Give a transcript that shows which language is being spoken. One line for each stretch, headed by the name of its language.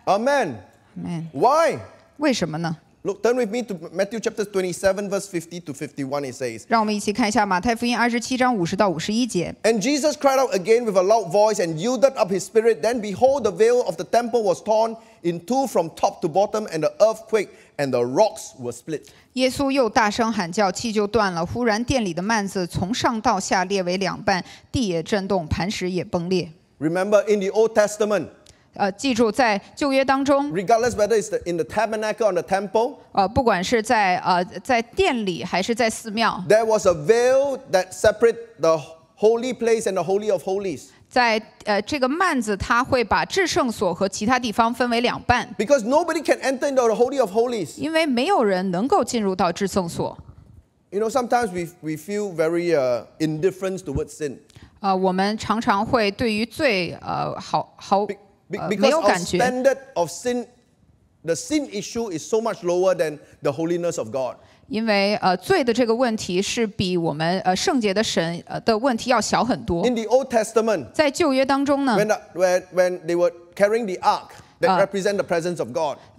English: Amen. Amen. Why?
Chinese: 为什么呢
English: Look, turn with me to Matthew chapter 27 verse 50 to 51 it says,
Chinese: 让我们一起看一下马太福音27章50到51节
English: And Jesus cried out again with a loud voice and yielded up his spirit. Then behold, the veil of the temple was torn in two from top to bottom and the earth quaked. And the rocks were split.
Chinese: 耶稣又大声喊叫，气就断了。忽然，殿里的幔子从上到下裂为两半，地也震动，磐石也崩裂。
English: Remember, in the Old Testament,
Chinese: 记住在旧约当中
English: ，regardless whether it's in the tabernacle or the temple,
Chinese: 不管是在殿里还是在寺庙
English: ，there was a veil that separated the holy place and the holy of holies.
Chinese: 在这个幔子，它会把至圣所和其他地方分为两半。
English: Because nobody can enter into the holy of holies.
Chinese: 因为没有人能够进入到至圣所。
English: You know, sometimes we feel very indifferent towards sin.
Chinese: 我们常常会对于罪好没有感觉。
English: Because our standard of sin, the sin issue is so much lower than the holiness of God.
Chinese: 因为罪的这个问题是比我们圣洁的神的问题要小很多。
English: In the Old Testament,
Chinese: 在旧约当中呢
English: when they were carrying the ark that represent the presence of God,